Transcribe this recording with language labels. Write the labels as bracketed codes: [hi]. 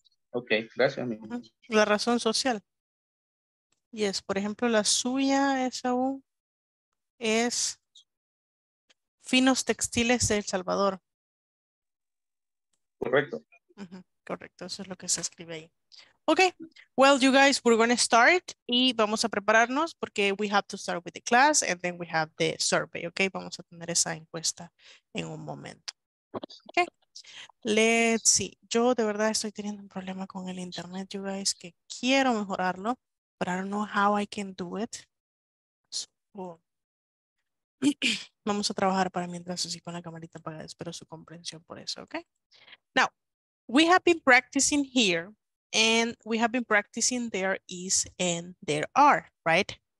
[es] Ok, gracias, amigo. La razón social. Yes, por ejemplo, la suya, esa U. es Finos Textiles de El Salvador. Correcto. Correcto, eso es lo que se escribe ahí. [en] Okay, well, you guys, we're going to start y vamos a prepararnos porque we have to start with the class and then we have the survey, okay? [es] Vamos a tener esa encuesta en un momento. [en] Okay, let's see. [es] Yo de verdad estoy teniendo un problema con el internet, you guys, que quiero mejorarlo, [en] but I don't know how I can do it. [es] So, vamos a trabajar para mientras así con la camarita apagada. Espero su comprensión por eso, [en] okay? Now, we have been practicing here. And we have been practicing there is and there are, right?